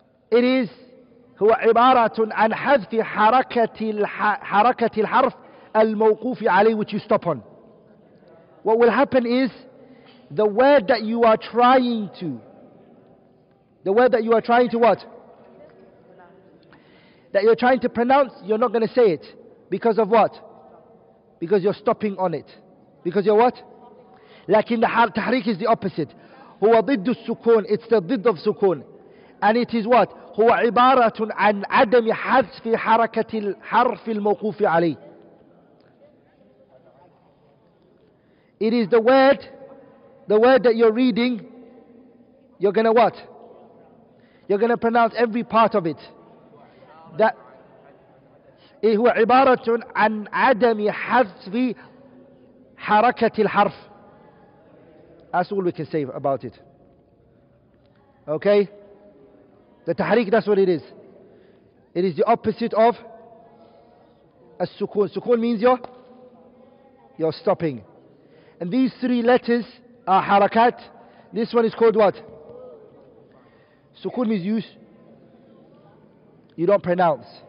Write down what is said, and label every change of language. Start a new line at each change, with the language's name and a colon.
English: It is
Arabic: هو عبارة عن حذف حركة حركة الحرف الموقوف عليه,
English: which you stop on. What will happen is the word that you are trying to, the word that you are trying to what? That you're trying to pronounce, you're not going to say it. Because of what? Because you're stopping on it. Because you're what?
Arabic: لكن التحريك
English: is the opposite.
Arabic: هو ضد السكون.
English: It's the ضد of سكون. And it is what?
Arabic: هو عبارة عن عدم حذف حركة الحرف الموقوف عليه.
English: It is the word that you're reading, you're going to what? You're going to pronounce every part of it. That it
Arabic: هو عبارة عن عدم حذف حركة الحرف.
English: That's all we can say about it. Okay? The tahrik, that's what it is. It is the opposite of as-sukun. Sukun means you're stopping. And these three letters are harakat. This one is called what? Sukun means use. You don't pronounce.